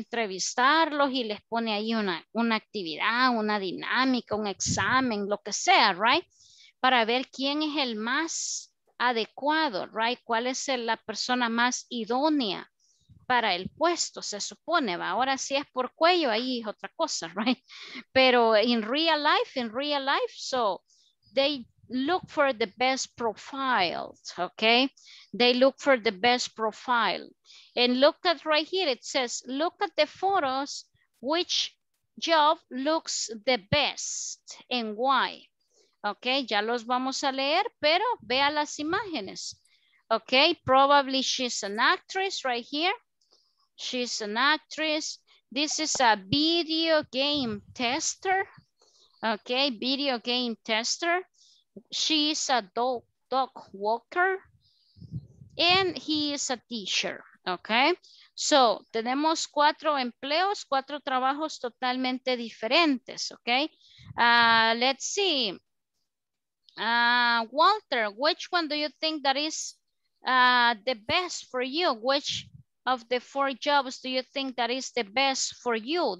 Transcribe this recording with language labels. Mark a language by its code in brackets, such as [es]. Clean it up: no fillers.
[es] Entrevistarlos y les pone ahí una actividad, una dinámica, un examen, lo que sea, right? Para ver quién es el más adecuado, right? ¿Cuál es la persona más idónea para el puesto, se supone, va? Ahora sí es por cuello, ahí es otra cosa, right? [en] Pero in real life, so they look for the best profile, okay? They look for the best profile. And look at right here, it says, look at the photos, which job looks the best and why? [es] Okay, ya los vamos a leer, pero vea las imágenes. [en] Okay, probably she's an actress right here. She's an actress. This is a video game tester. Okay, video game tester. She's a dog walker. And he is a teacher. [es] Okay, so tenemos cuatro empleos, cuatro trabajos totalmente diferentes. [en] Okay, let's see. Walter, which one do you think that is the best for you? Which of the four jobs do you think that is the best for you?